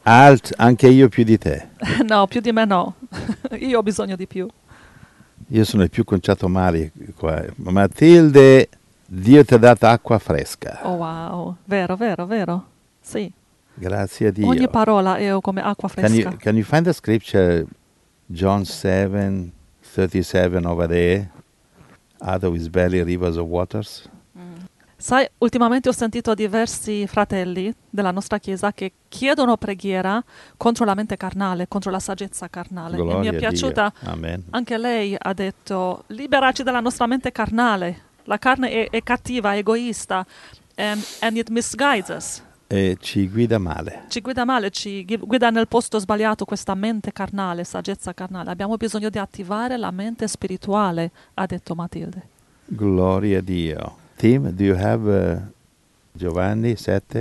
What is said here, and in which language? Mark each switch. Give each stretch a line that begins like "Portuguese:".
Italian: Alt, anche io più di te. No, più di me no, io ho bisogno di più. Io sono il più conciato mari qua. Matilde, Dio ti ha dato acqua fresca. Oh wow, vero, vero, vero. Sì. Grazie a Dio. Ogni parola è come acqua fresca.
English: Can you find the scripture, John 7, 37 over there? Out of his belly rivers of waters.
Italian: Sai, ultimamente ho sentito diversi fratelli della nostra chiesa che chiedono preghiera contro la mente carnale, contro la saggezza carnale. Gloria, e mi è piaciuta, anche lei ha detto, liberaci dalla nostra mente carnale. La carne è cattiva, egoista,
English: and it misguides us.
Italian: E ci guida male. Ci guida male, ci guida nel posto sbagliato questa mente carnale, saggezza carnale. Abbiamo bisogno di attivare la mente spirituale, ha detto Matilde. Gloria a Dio.
English: Tim, do you have Giovanni 7?